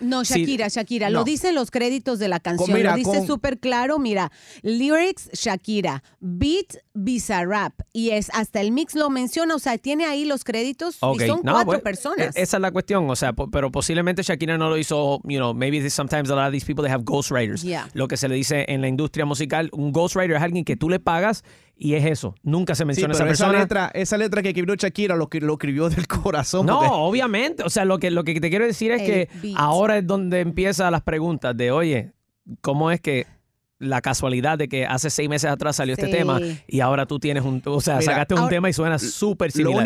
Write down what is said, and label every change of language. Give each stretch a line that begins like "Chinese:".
Spanish: No, Shakira. No. Lo dicen los créditos de la canción. Súper claro. Mira, lyrics Shakira, beat Bizarrap. Y es hasta el mix lo menciona. O sea, tiene ahí los créditos. Okay. Y son cuatro personas. Esa es la cuestión. O sea, pero posiblemente Shakira no lo hizo.
English: You know, maybe sometimes a lot of these people, they have ghostwriters. Yeah.
Spanish: Lo que se le dice en la industria musical. Un ghostwriter es alguien que tú le pagas. Y es eso, nunca se menciona esa persona. Esa letra que escribió Shakira lo escribió del corazón. No, porque... obviamente. O sea, lo que te quiero decir es que ahora es donde empiezan las preguntas de, oye, ¿cómo es que la casualidad de que hace 6 meses atrás salió este tema y ahora tú tienes sacaste un tema y suena súper similar?